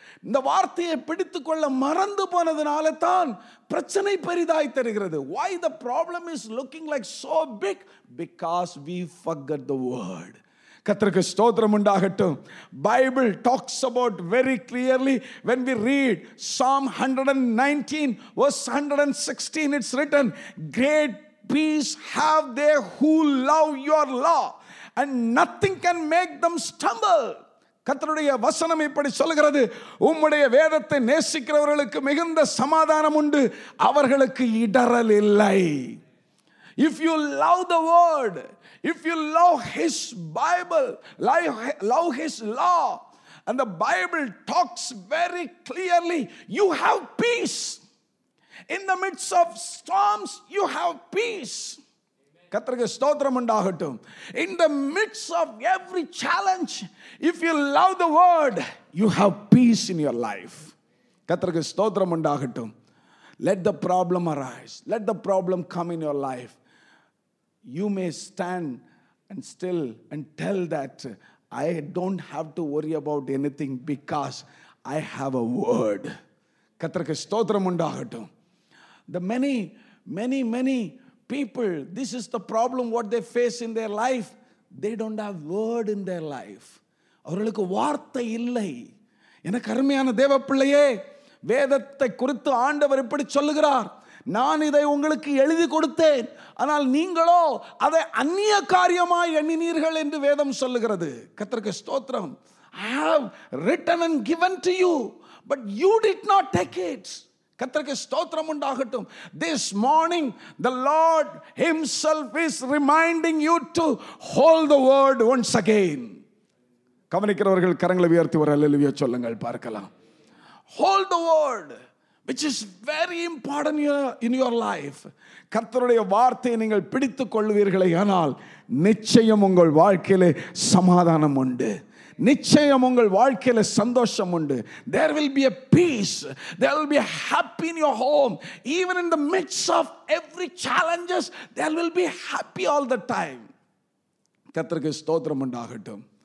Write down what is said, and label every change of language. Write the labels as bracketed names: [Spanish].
[Tamil] இந்த வார்த்தையை பிடித்துக்கொள்ள மறந்து போனதுனால தான் பிரச்சனை பெரிதாய் தெரிகிறது. [English] Why the problem is looking like so big? Because we forget the word. [Tamil] கர்த்தருக்கு ஸ்தோத்திரம் உண்டாகட்டும். [English] Bible talks about very clearly when we read Psalm 119 verse 116, it's written, great peace have they who love your law, and nothing can make them stumble. [Tamil] கர்த்தருடைய வசனம் இப்படி சொல்கிறது, உம்முடைய வேதத்தை நேசிக்கிறவர்களுக்கு மிகுந்த சமாதானம் உண்டு, அவர்களுக்கு இடரல் இல்லை. [English] If you love the word, if you love his Bible, love his law, and the Bible talks very clearly, you have peace. In the midst of storms, you have peace. [Tamil] கர்த்தருக்கு ஸ்தோத்திரம் உண்டாகட்டும். [English] In the midst of every challenge, if you love the word, you have peace in your life. [Tamil] கர்த்தருக்கு ஸ்தோத்திரம் உண்டாகட்டும். [English] Let the problem arise. Let the problem come in your life. You may stand and still and tell that I don't have to worry about anything because I have a word. [Tamil] கர்த்தருக்கு ஸ்தோத்திரம் உண்டாகட்டும். [English] The many people, this is the problem what they face in their life. They don't have word in their life. [Tamil] அவர்களுக்கு வார்த்தை இல்லை. எனக்கு அருமையான தேவ பிள்ளையே, வேதத்தை குறித்து ஆண்டவர் இப்படி சொல்லுகிறார், நான் இதை உங்களுக்கு எழுதி கொடுத்தேன், ஆனால் நீங்களோ அதை அந்நிய காரியமாய் எண்ணினீர்கள் என்று வேதம் சொல்லுகிறது. கர்த்தருக்கு ஸ்தோத்திரம். [English] I have written and given to you, but you did not take it. [Tamil] கர்த்தருக்கு ஸ்தோத்திரம் உண்டாகட்டும். [English] This morning, the Lord himself is reminding you to hold the word once again. [Tamil] கவனிக்கிறவர்கள் கரங்களை உயர்த்தி ஒரு அல்லேலூயா சொல்லுங்கள் பார்க்கலாம். [English] Hold the word, which is very important in your life. [Tamil] கர்த்தருடைய வார்த்தையை நீங்கள் பிடித்துக் கொள்வீர்களே ஆனால் நிச்சயம் உங்கள் வாழ்க்கையில் சமாதானம் உண்டு. நிச்சயம் உங்கள் வாழ்க்கையில சந்தோஷம் உண்டு. [English] There will be a peace. There will be a happy in your home. Even in the midst of every challenges, there will be happy all the time. [Tamil] கர்த்தருக்கு ஸ்தோத்திரம் உண்டாகட்டும்.